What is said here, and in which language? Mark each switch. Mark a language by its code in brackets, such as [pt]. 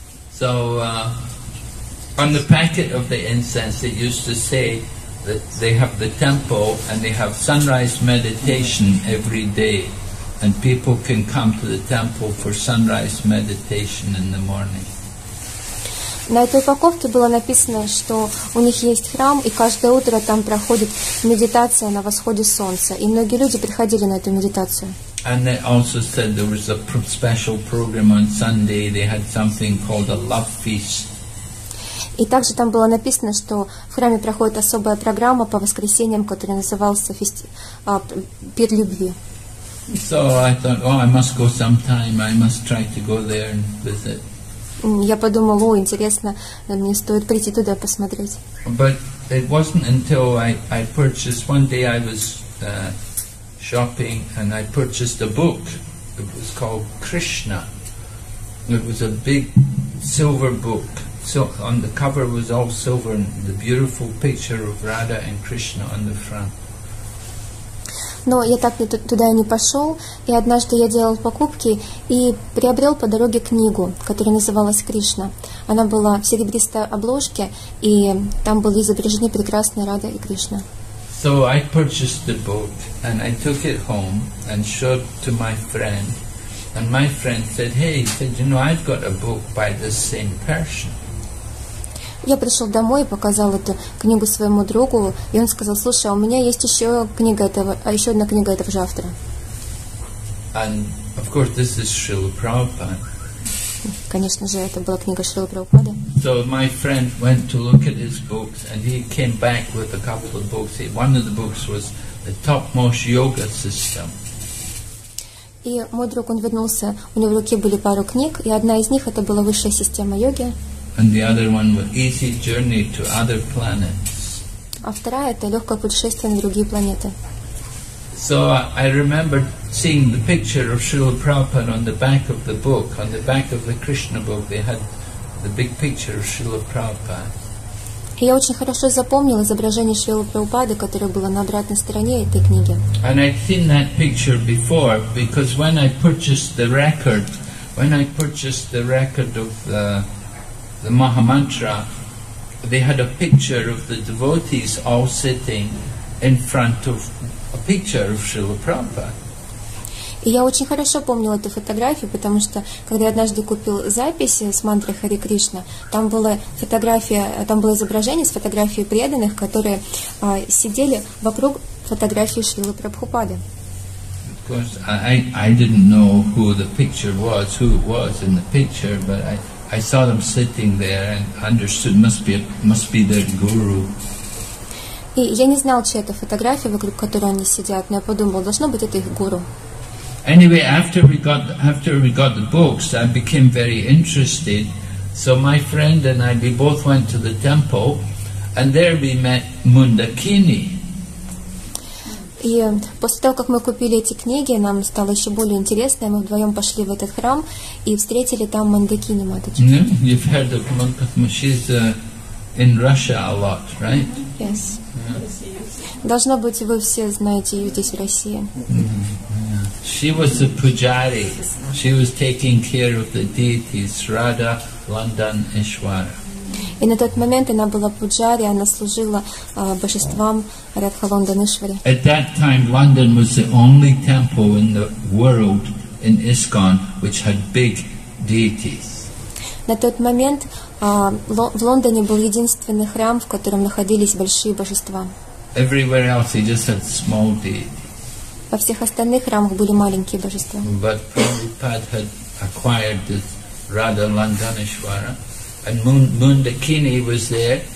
[en] So, on the packet of the incense, it used to say that they have the temple and they have sunrise meditation every day. And people can come to the temple for sunrise meditation in the morning. [ru] На этой упаковке было написано, что у них есть храм, и каждое утро там проходит медитация на восходе солнца. И многие люди приходили на эту медитацию. [en] And they also said there was a special program on Sunday. They had something called a love feast. [ru] И также там было написано, что в храме проходит особая программа по воскресеньям, которая называлась пир любви. [en] So I thought, oh, I must go sometime. I must try to go there and visit. [ru] Я подумал, о, интересно, мне стоит прийти туда посмотреть. [en] But it wasn't until I purchased one day I was shopping and I purchased a book. It was called Krishna. It was a big silver book. So on the cover was all silver and the beautiful picture of Radha and Krishna on the front. [ru] Но я так туда и не пошел, и однажды я делал покупки и приобрел по дороге книгу, которая называлась «Кришна». Она была в серебристой обложке, и там были изображены прекрасные Рада и Кришна. [en] So I purchased the book, and I took it home and showed to my friend. And my friend said, hey, he said, you know, I've got a book by this same person. [ru] Я пришел домой и показал эту книгу своему другу, и он сказал, слушай, у меня есть еще книга этого, а еще одна книга этого же автора. [en] And of course this is Srila Prabhupada. [ru] Конечно же, это была книга Шрилы Прабхупады. [en] So my friend went to look at his books, and he came back with a couple of books. One of the books was the topmost yoga system. [ru] И мой друг, он вернулся, у него в руке были пару книг, и одна из них это была высшая система йоги. [en] And the other one was easy journey to other planets. [ru] А вторая это легкое путешествие на другие планеты. [en] So I remembered seeing the picture of Srila Prabhupada on the back of the book, on the back of the Krishna book. They had the big picture of Srila Prabhupada. [ru] И я очень хорошо запомнил изображение Шрилы Прабхупады, которое было на обратной стороне этой книги. [en] And I'd seen that picture before, because when I purchased the record of the Maha Mantra, they had a picture of the devotees all sitting in front of a picture of Srila Prabhupada. [ru] И я очень хорошо помнил эту фотографию, потому что когда я однажды купил записи с мантрой Хари Кришна, там была фотография, там было изображение с фотографией преданных, которые сидели вокруг фотографии Шрилы Прабхупады. [en] Of course, I didn't know who the picture was, who it was in the picture, but I saw them sitting there and understood must be their guru. [ru] И я не знал, чья это фотография, вокруг которой они сидят, но я подумал, должно быть это их гуру. [en] Anyway, after we got the books, I became very interested. So my friend and I, we both went to the temple, and there we met Mundakini. [ru] И после того, как мы купили эти книги, нам стало еще более интересно, и мы вдвоем пошли в этот храм и встретили там Мандакини Матаджи. [en] No, you've heard of Мандакини, she's in Russia a lot, right? Mm-hmm. Yes. [ru] Должно быть, вы все знаете ее здесь, в России. [en] She was the pujari. She was taking care of the deities Radha, Landan, Ishwara. [ru] И на тот момент она была пуджари, она служила божествам Радха, Ландан, Ишвари. [en] At that time, London was the only temple in the world in ISKCON which had big deities. [ru] На тот момент в Лондоне был единственный храм, в котором находились большие божества. [en] Everywhere else, they just had small deities. [ru] Во всех остальных храмах были маленькие божества. [en] But Prabhupada had acquired this Radha Landanishwara, and Mundakini was there.